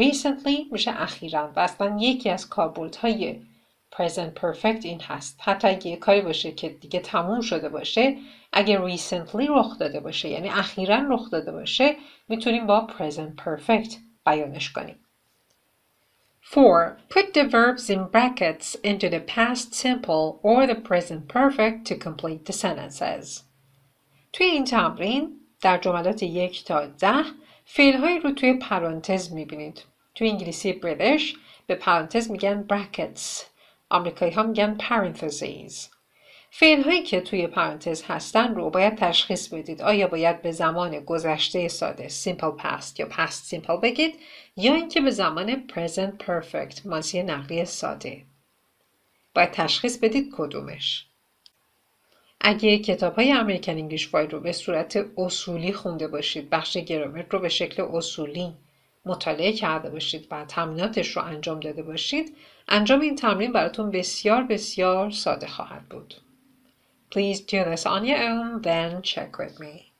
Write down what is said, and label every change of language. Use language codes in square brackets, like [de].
[fa] recently میشه اخیراً و اصلا یکی از کاربردهای present perfect این هست. حتی اگه یه کاری باشه که دیگه تموم شده باشه، اگه recently رخ داده باشه، یعنی اخیراً رخ داده باشه، میتونیم با present perfect بیانش کنیم. 4. [en] Put the verbs in brackets into the past simple or the present perfect to complete the sentences. [fa] توی این تمرین در جملات 1 تا 10 فعل‌های رو توی پرانتز می‌بینید. توی انگلیسی بریتیش به پرانتز میگن brackets. آمریکایی‌ها میگن parentheses. فعل‌هایی که توی پرانتز هستن رو باید تشخیص بدید. آیا باید به زمان گذشته ساده simple past یا past simple بگید یا اینکه به زمان present perfect ماضی نقلی ساده. باید تشخیص بدید کدومش. اگه کتاب‌های امریکن انگلیش فایل رو به صورت اصولی خونده باشید، بخش گرامر رو به شکل اصولی مطالعه کرده باشید و تمریناتش رو انجام داده باشید، انجام این تمرین براتون بسیار بسیار ساده خواهد بود. [en] Please do this on your own, then check with me.